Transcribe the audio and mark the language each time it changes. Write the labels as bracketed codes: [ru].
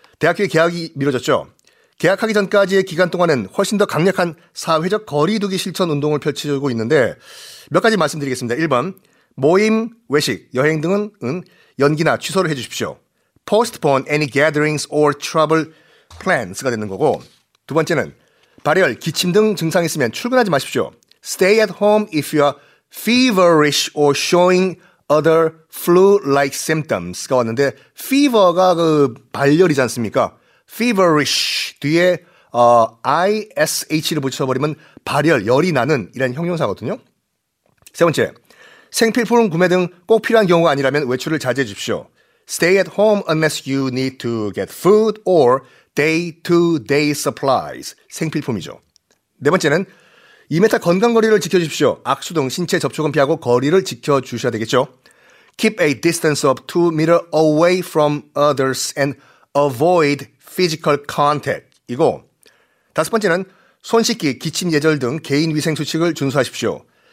[ko] 대학교의 개학이 미뤄졌죠. 개학하기 전까지의 기간 동안은 훨씬 더 강력한 사회적 거리두기 실천 운동을 펼치고 있는데 몇 가지 말씀드리겠습니다. 1번 모임, 외식, 여행 등은 연기나 취소를 해주십시오. [en] Postpone any gatherings or travel plans [ko] 가 되는 거고 두 번째는 발열, 기침 등 증상이 있으면 출근하지 마십시오. [en] Stay at home if you are feverish or showing other flu-like symptoms [ko] 가 왔는데 fever가 그 발열이지 않습니까? feverish 뒤에 ish를 붙여버리면 발열, 열이 나는 이런 형용사거든요. 세 번째, 생필품 구매 등 꼭 필요한 경우가 아니라면 외출을 자제해 주십시오. [en] Stay at home unless you need to get food or day-to-day supplies. [ko] 생필품이죠. 네 번째는 2m 건강 거리를 지켜주십시오. 악수 등 신체 접촉은 피하고 거리를 지켜주셔야 되겠죠. [en] Keep a distance of 2m away from others and avoid physical contact. [ko] 이거. 다섯 번째는 손 씻기, 기침 예절 등 개인 위생 수칙을 준수하십시오.